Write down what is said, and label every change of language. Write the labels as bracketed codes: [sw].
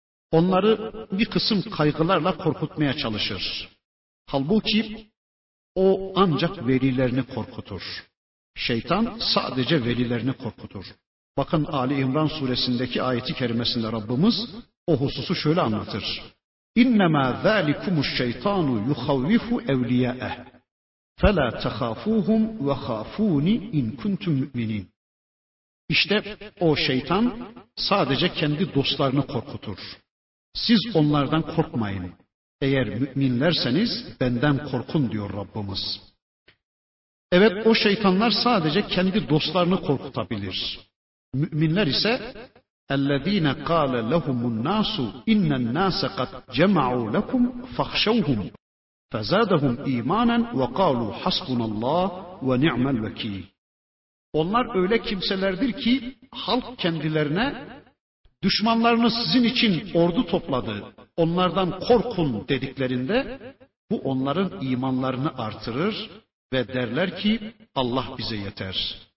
[tr] Onları bir kısım kaygılarla korkutmaya çalışır. Halbuki o ancak velilerini korkutur. Şeytan sadece velilerini korkutur. Bakın Ali İmran suresindeki ayeti kerimesinde Rabbimiz o hususu şöyle anlatır. [ar] اِنَّمَا ذَٰلِكُمُ الشَّيْطَانُ يُخَوِّفُ اَوْلِيَاءَهُ فَلَا تَخَافُوهُمْ وَخَافُونِ اِنْ كُنْتُمْ مُؤْمِنِينَ [tr] İşte o şeytan sadece kendi dostlarını korkutur. Siz onlardan korkmayın. Eğer müminlerseniz benden korkun diyor Rabbimiz. Evet, o şeytanlar sadece kendi dostlarını korkutabilir. Müminler ise [ar] اَلَّذ۪ينَ قَالَ لَهُمُ النَّاسُ اِنَّ النَّاسَ قَدْ جَمَعُوا لَكُمْ فَخْشَوْهُمْ فَزَادَهُمْ اِيمَانًا وَقَالُوا حَسْبُنَ اللّٰهُ وَنِعْمَ الْوَك۪يلِ [tr] Onlar öyle kimselerdir ki halk kendilerine düşmanlarını sizin için ordu topladı, onlardan korkun dediklerinde bu onların imanlarını artırır ve derler ki Allah bize yeter.